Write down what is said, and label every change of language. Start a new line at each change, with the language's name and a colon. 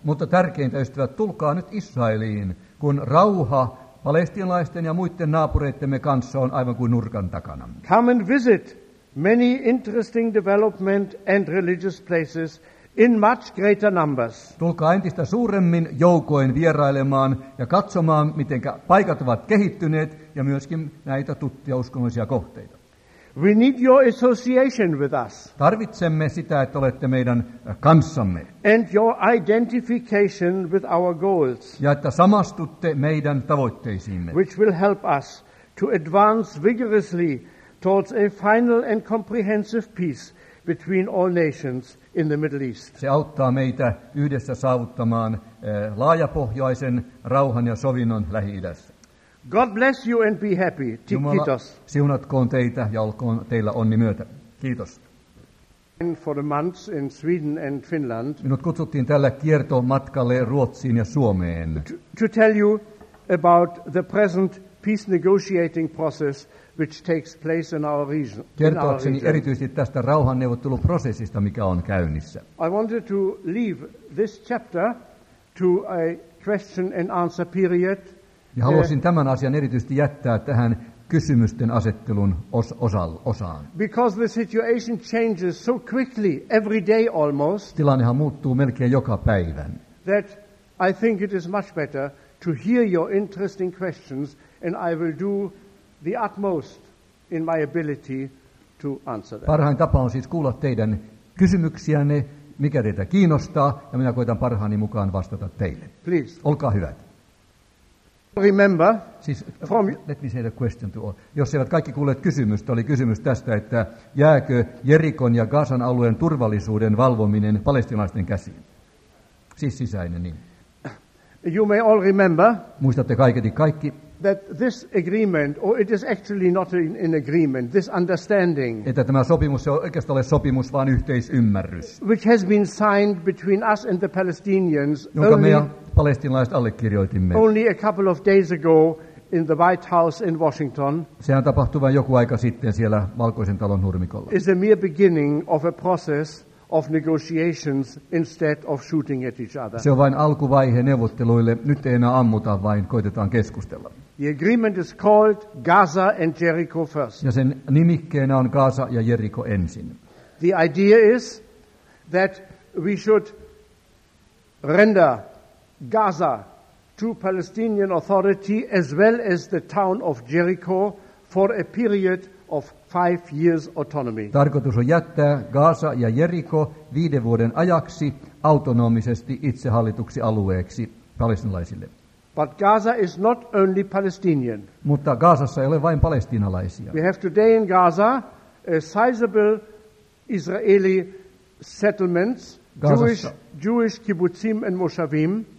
Finnish: Mutta tärkeintä, ystävät, tulkaa nyt Israeliin, kun rauha palestinalaisten ja muiden naapureittemme kanssa on aivan kuin nurkan takana.
English: Come and visit many interesting development and religious places in much greater numbers.
Finnish: Tulkaa entistä suuremmin joukoin vierailemaan ja katsomaan, miten paikat ovat kehittyneet ja myöskin näitä tuttuja uskonnollisia kohteita.
English: We need your association with us.
Finnish: Tarvitsemme sitä, että olette meidän kanssamme.
English: And your identification with our goals.
Finnish: Ja että samastutte meidän tavoitteisiimme.
English: Which will help us to advance vigorously towards a final and comprehensive peace between all nations in the Middle East.
Finnish: Se auttaa meitä yhdessä saavuttamaan laajapohjaisen rauhan ja sovinnon Lähi-idässä.
English: God bless you and be happy.
Finnish: Kiitos. Siunatkoon teitä ja olkoon teillä onni myötä. Kiitos.
English: For the months in Sweden and Finland.
Finnish: Minut kutsuttiin tällä kiertomatkalle Ruotsiin ja Suomeen.
English: To tell you about the present peace negotiating process which takes place in our region.
Finnish: Kertoakseni erityisesti tästä rauhanneuvotteluprosessista, mikä on käynnissä.
English: I wanted to leave this chapter to a question and answer period.
Finnish: Ja haluaisin tämän asian erityisesti jättää tähän kysymysten asettelun osaan.
English: Because the situation changes so quickly every day almost.
Finnish: Tilannehan muuttuu melkein joka päivän.
English: That I think it is much better to hear your interesting questions and I will do the utmost in my ability to answer them.
Finnish: Parhain tapa on siis kuulla teidän kysymyksiänne, mikä teitä kiinnostaa, ja minä koitan parhaani mukaan vastata teille.
English: Please.
Finnish: Olkaa hyvät.
English: Remember,
Finnish: siis,
English: from, let me say the question to all.
Finnish: Jos eivät kaikki kuulleet kysymystä, oli kysymys tästä, että jääkö Jerikon ja Gazan alueen turvallisuuden valvominen palestinaisten käsiin? Siis sisäinen, niin.
English: You may all remember.
Finnish: Muistatte kaikki.
English: That this agreement, or it is actually not an agreement, this understanding.
Finnish: Että tämä sopimus ei oikeastaan ole sopimus, vaan yhteisymmärrys.
English: Which has been signed between us and the Palestinians.
Finnish: Jonka me palestinalaiset allekirjoitimme.
English: Only a couple of days ago in the White House in Washington.
Finnish: Sehän tapahtui vain joku aika sitten siellä Valkoisen talon nurmikolla.
English: Is a mere beginning of a process of negotiations instead of shooting at each other.
Finnish: Se on vain alkuvaihe neuvotteluille. Nyt ei enää ammuta, vain koitetaan keskustella.
English: The agreement is called Gaza and Jericho first.
Finnish: Ja sen nimikkeenä on Gaza ja Jericho ensin.
English: The idea is that we should render Gaza to Palestinian Authority as well as the town of Jericho for a period of 5 years autonomy.
Finnish: Tarkoitus on jättää Gaza ja Jericho 5 vuoden ajaksi autonomisesti itsehallituksi alueeksi palestinalaisille.
English: But Gaza is not only Palestinian.
Finnish: Mutta Gazassa ei ole vain palestinalaisia.
English: We have today in Gaza a sizable Israeli settlements, Jewish kibbutzim and moshavim.